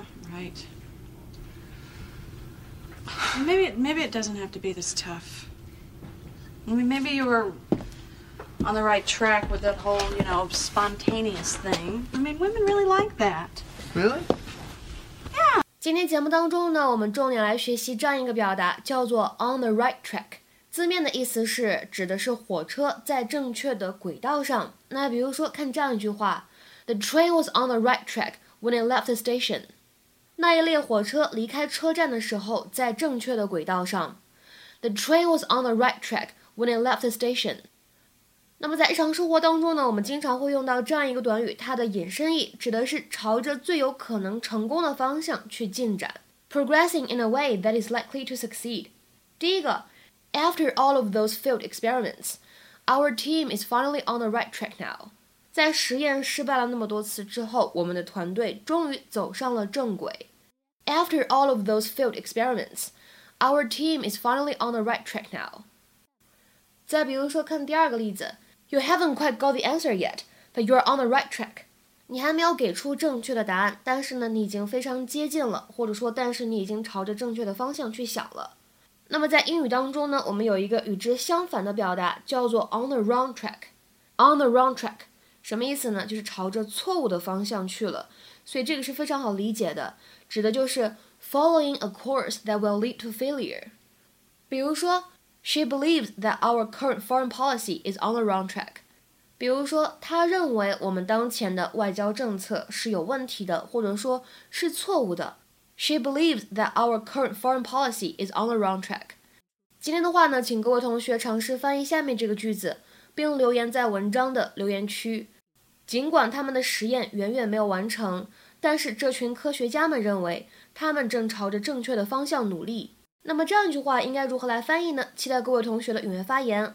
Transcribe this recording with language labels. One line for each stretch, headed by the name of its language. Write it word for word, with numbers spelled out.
English: Right. Maybe, maybe it doesn't have to be this tough. I mean, maybe you were on the right track with that whole, you know, spontaneous thing. I mean, women really like that. Really? Yeah.
Chinese: 今天节目当中呢，我们重点来学习这样一个表达，叫做 on the right track。字面的意思是指的是火车在正确的轨道上。那比如说，看这样一句话
English: ：The train was on the right track when it left the station.
Chinese: 那一列火车离开车站的时候在正确的轨道上。
English: The train was on the right track when it left the station.
Chinese: 那么在日常生活当中呢，我们经常会用到这样一个短语，它的引申义指的是朝着最有可能成功的方向去进展。
English: Progressing in a way that is likely to succeed.
Chinese: 第一个
English: After all of those failed experiments, our team is finally on the right track now.
Chinese: 在实验失败了那么多次之后，我们的团队终于走上了正轨。
English: After all of those failed experiments, our team is finally on the right track now.
Chinese: 再比如说，看第二个例子
English: ，You haven't quite got the answer yet, but you're on the right track.
Chinese: 你还没有给出正确的答案，但是呢，你已经非常接近了，或者说，但是你已经朝着正确的方向去想了。那么在英语当中呢，我们有一个与之相反的表达，叫做
English: on the wrong track. On the wrong track.
Chinese: 什么意思呢？就是朝着错误的方向去了，所以这个是非常好理解的，指的就是
English: following a course that will lead to failure。
Chinese: 比如说
English: ，She believes that our current foreign policy is on the wrong track。
Chinese: 比如说，她认为我们当前的外交政策是有问题的，或者说是错误的。
English: She believes that our current foreign policy is on the wrong track。
Chinese: 今天的话呢，请各位同学尝试翻译下面这个句子，并留言在文章的留言区。尽管他们的实验远远没有完成，但是这群科学家们认为他们正朝着正确的方向努力。那么这样一句话应该如何来翻译呢？期待各位同学的踊跃发言。